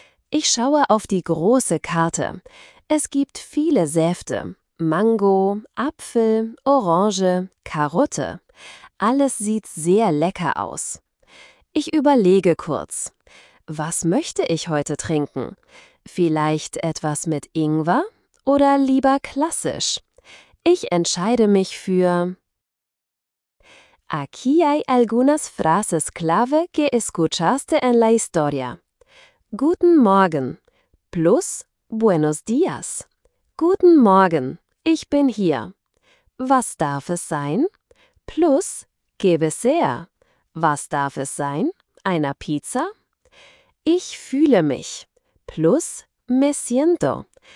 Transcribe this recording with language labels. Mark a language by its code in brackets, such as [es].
[de] Ich schaue auf die große Karte. Es gibt viele Säfte: Mango, Apfel, Orange, Karotte. Alles sieht sehr lecker aus. Ich überlege kurz. Was möchte ich heute trinken? Vielleicht etwas mit Ingwer oder lieber klassisch? Ich entscheide mich für. [es] Aquí hay algunas frases clave que escuchaste en la historia. [de] Guten Morgen plus [es] Buenos días. [de] Guten Morgen, ich bin hier. Was darf es sein? Plus [es] ¿qué desea? [de] Was darf es sein? Eine Pizza? Ich fühle mich. [es] Plus me siento.